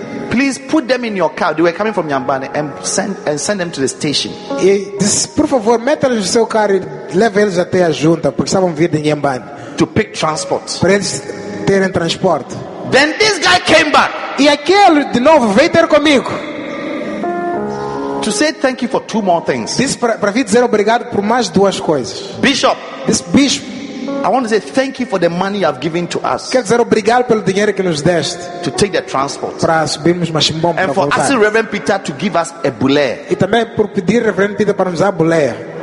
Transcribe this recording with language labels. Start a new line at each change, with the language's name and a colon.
English: please put them in your car. They were coming from Yambane, and send them to the station.
Portuguese: E disse, por favor, meta-los no seu carro e leve eles até a junta, porque estavam vindo em Yambane.
English: To pick transport.
Portuguese: Para eles terem transporte.
English: Then this guy came back.
Portuguese: E aquele de novo veio ter comigo.
English: To say thank you for two more things.
Portuguese: Disse para vir dizer obrigado por mais duas coisas.
English: Bishop. This bishop. I want to say thank you for the money you have given to us.
Portuguese: Quero dizer obrigado pelo dinheiro que nos deste.
English: To take the transport.
Portuguese: Para subirmos mais um bom para voltar.
English: And for asking Reverend Peter to give us a bulé.
Portuguese: E também por pedir Reverend Peter para nos dar bulé.